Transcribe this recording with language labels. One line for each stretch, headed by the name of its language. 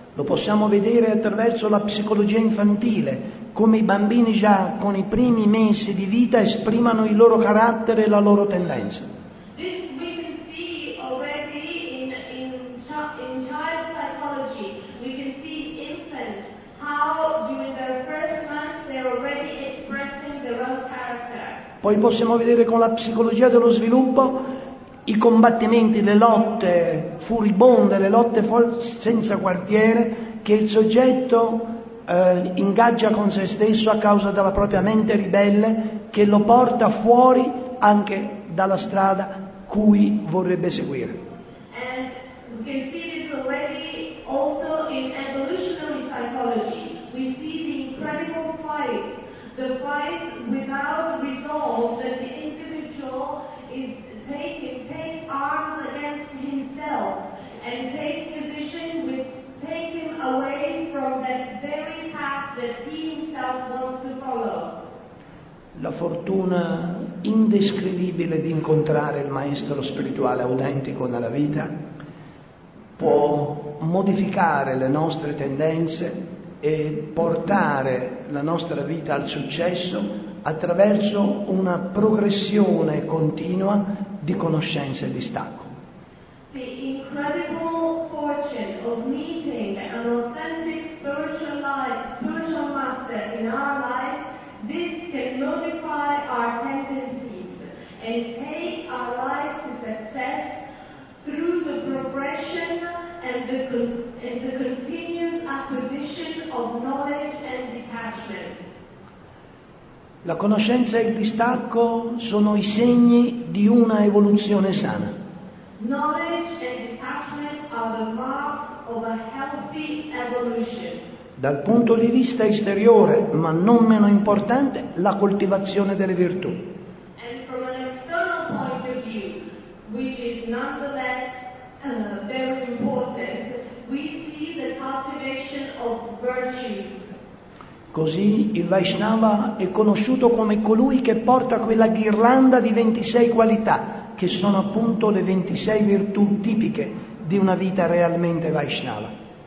Italian: Lo possiamo vedere attraverso la psicologia infantile, come i bambini già con i primi mesi di vita esprimano il loro carattere e la loro tendenza.
English: This we can see already in child psychology. We can see infants how during their first month they're already expressing their own character.
Italian: Poi possiamo vedere con la psicologia dello sviluppo i combattimenti, le lotte furibonde, le lotte senza quartiere che il soggetto ingaggia con se stesso a causa della propria mente ribelle che lo porta fuori anche dalla strada cui vorrebbe seguire.
English: And we can see this already also in evolutionary psychology. We see the incredible fight, the fight without resolve that the individual is takes arms against himself and takes position with taking away from that very path that he himself wants to follow.
Italian: La fortuna indescrivibile di incontrare il maestro spirituale autentico nella vita può modificare le nostre tendenze e portare la nostra vita al successo attraverso una progressione continua di conoscenze e di stacco.
English: The incredible fortune of meeting an authentic spiritual master in our life. This can modify our tendencies and take our life to success through the progression and the continuous acquisition of knowledge and detachment.
Italian: La conoscenza e il distacco sono i segni di una evoluzione sana.
English: Knowledge and detachment are the marks of a healthy evolution.
Italian: Dal punto di vista esteriore, ma non meno importante, la coltivazione delle virtù.
English: And from an external point of view, which is nonetheless very important, we see the cultivation of virtues.
Italian: Così il Vaishnava è conosciuto come colui che porta quella ghirlanda di 26 qualità, che sono appunto le 26 virtù tipiche di una vita realmente Vaishnava.